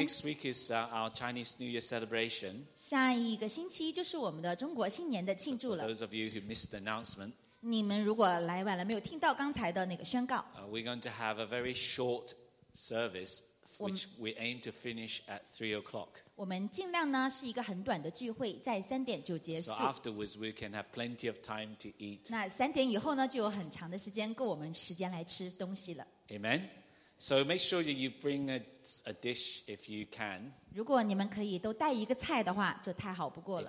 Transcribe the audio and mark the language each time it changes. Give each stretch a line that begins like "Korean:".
English: Next week is our Chinese New Year celebration.
Chinese: 下一个星期就是我们的中国新年的庆祝了。
English: For those of you who missed the announcement,
Chinese: 你们如果来晚了，没有听到刚才的那个宣告。
English: We're going to have a very short service, which we aim to finish at 3 o'clock.
Chinese: 我们尽量呢是一个很短的聚会，在三点就结束。
English: So afterwards we can have plenty of time to eat.
Chinese: 那三点以后呢，就有很长的时间够我们时间来吃东西了。
English: Amen. So make sure that you bring a dish if you can.
Chinese: 如果你们可以都带一个菜的话，就太好不过了。